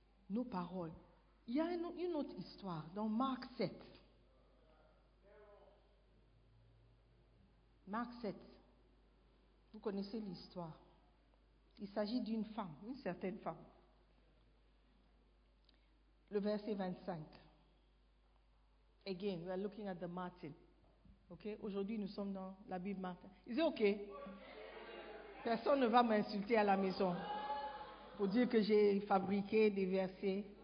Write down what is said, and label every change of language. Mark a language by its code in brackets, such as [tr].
[fr] Nos paroles. Il y a une autre histoire dans Marc 7. Marc 7. Vous connaissez l'histoire. Il s'agit d'une femme, une certaine femme. Le verset 25. [en] Again, we are looking at the Martin. Okay? [fr] Aujourd'hui, nous sommes dans la Bible Martin. Il dit, ok. Personne ne va m'insulter à la maison pour dire que j'ai fabriqué des versets.